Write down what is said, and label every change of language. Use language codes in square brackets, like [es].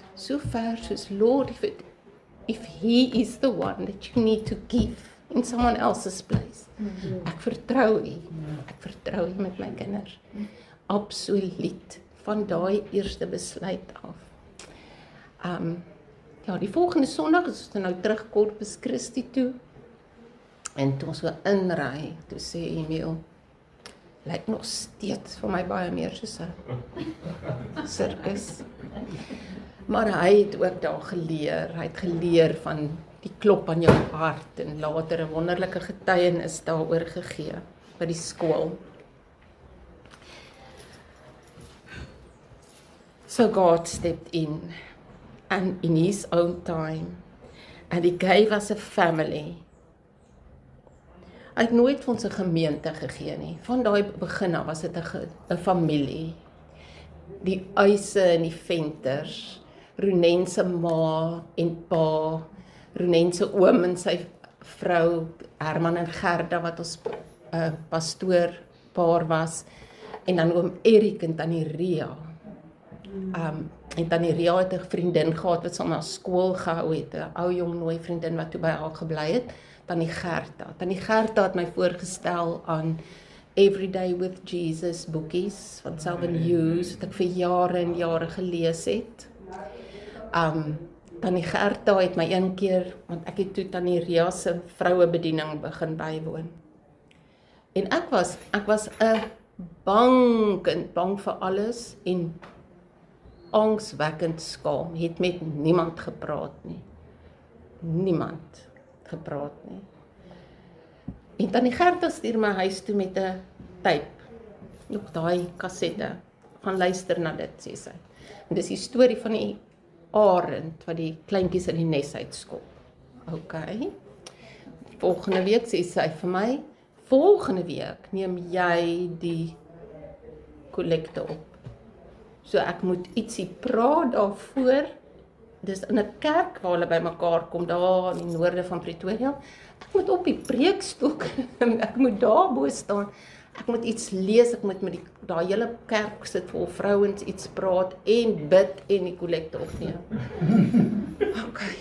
[af] So ver soos [en] Lord, if he is the one that you need to give in someone else's place. [af] Ek vertrou U. Ek vertrou U met my kinders. Absoluut. Van daai eerste besluit af. Ja, die volgende Sondag is ons nou terug Corpus Christi toe. En toe ons weer inry, toe sê Emiel, lyk nog steeds vir my baie meer soos 'n sirkus. Maar hy het ook daar geleer. Hy het geleer van die klop aan jou hart en later 'n wonderlike getuienis daaroor gegee by die skool. [en] So God stepped in, and in his own time, and he gave us a family. [af] Hy het nooit vir ons 'n gemeente gegee nie. Van daai begin af was dit 'n familie. Die uise en die venters, Ronen se ma en pa, Ronen se oom en sy vrou Herman en Gerda wat ons pastoor paar was, en dan oom Erik en tannie Ria. En tannie Ria het 'n vriendin gehad wat saam na skool gehou het, 'n ou jong nooi vriendin wat toe by haar gebly het, tannie Gerta. Tannie Gerta het my voorgestel aan Everyday with Jesus boekies van Selwyn Hughes wat ek vir jare en jare gelees het. Tannie Gerta het my een keer, want ek het toe tannie Ria se vrouebediening begin bywoon. En ek was 'n bang kind, bang vir alles en angswekkend skaam, het met niemand gepraat nie. Niemand gepraat nie. En tannie Gerta stuur my huis toe met 'n tape. Nog daai kassette. Gaan luister na dit, sê sy. En dis die storie van die arend wat die kleintjies in die nes uitskop. OK. Volgende week, sê sy vir my, volgende week neem jy die kollekte op. So ek moet ietsie praat daarvoor. Dis in 'n kerk waar hulle by mekaar kom, daar in die noorde van Pretoria. Ek moet op die preekstoek, ek moet daar bo staan. Ek moet iets lees, ek moet met die daai hele kerk sit vol vrouens iets praat en bid en die kollekte opneem. OK.